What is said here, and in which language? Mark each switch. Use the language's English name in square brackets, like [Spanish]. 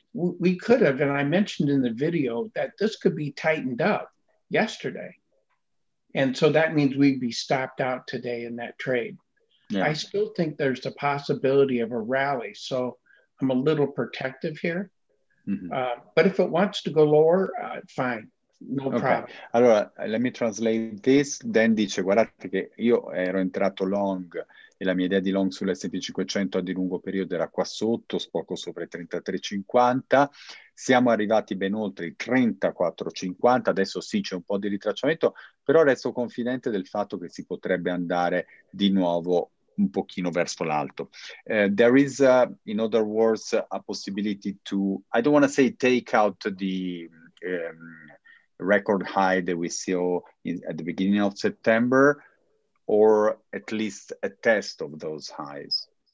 [English] We could have, and I mentioned in the video that this could be tightened up yesterday. And so that means we'd be stopped out today in that trade. Yeah. I still think there's the possibility of a rally. So I'm a little protective here. Mm-hmm. But if it wants to go lower, fine. No okay. problem. Allora, let me translate this. [Italian] Dan dice, guardate che io ero entrato long e la mia idea di long sull'S&P 500 di lungo periodo era qua sotto, poco sopra i 33,50. Siamo arrivati ben oltre i 34,50. Adesso sì, c'è un po' di ritracciamento, però resto confidente del fatto che si potrebbe andare di nuovo un pochino verso l'alto. [English] There is, in other words, a possibility to, I don't want to say take out the record high that we saw at the beginning of September, or at least a test of those highs.